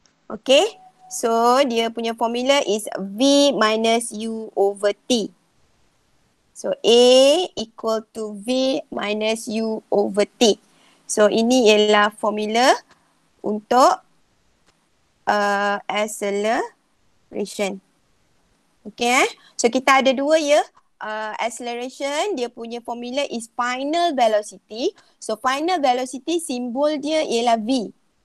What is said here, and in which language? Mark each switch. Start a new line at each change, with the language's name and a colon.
English: Okay, so
Malay: dia punya
English: formula is V minus U over T. So A equal to V minus U over T.
Malay: So ini ialah formula untuk acceleration. Okay, so kita ada dua ya.
English: Acceleration,
Malay: dia punya
English: formula is final velocity.
Malay: So final velocity simbol dia ialah V.